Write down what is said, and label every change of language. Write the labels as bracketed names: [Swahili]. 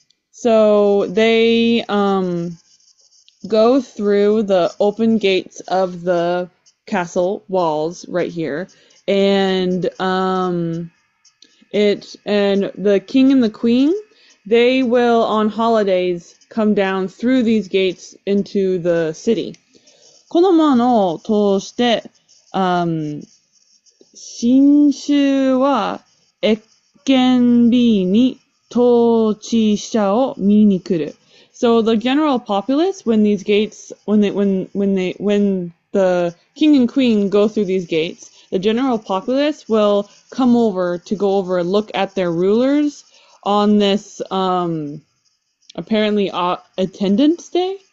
[English] So they go through the open gates of the castle walls right here, and the king and the queen, they will on holidays come down through these gates into the city. [Japanese] この門を通して、新州は謁見日に統治者を見に来る。 [English] So the general populace, when these gates, when they, when they, when the king and queen go through these gates, the general populace will come over to go over and look at their rulers on this, apparently, attendance day.